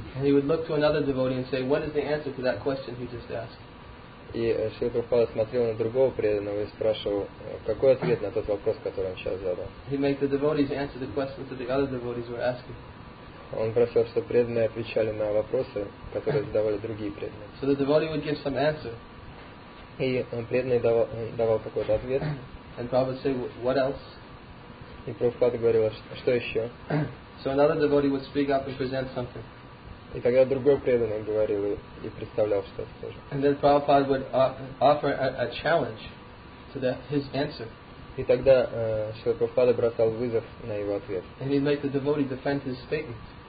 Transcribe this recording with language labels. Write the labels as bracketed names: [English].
[English] And he would look to another devotee and say, what is the answer to that question he just asked? [Russian] И Шрила Прабхупада смотрел на другого преданного и спрашивал, какой ответ на тот вопрос, который он сейчас задал. [English] He'd make the devotees answer the questions that the other devotees were asking. [Russian] Он просил, чтобы преданные отвечали на вопросы, которые задавали другие преданные. [English] So the devotee would give some answer. [Russian] И преданный давал какой-то ответ. [English] And Prabhupada said, what else? [Russian] И Прабхупада говорил, что еще? [English] So another devotee would speak up and present something. [Russian] И тогда другой преданный говорил и представлял что-то тоже. [English] And then Prabhupada would offer a challenge to his answer. [Russian] И тогда Шрила Прабхупада бросал вызов на его ответ. [English] And he'd make the devotee defend his statement.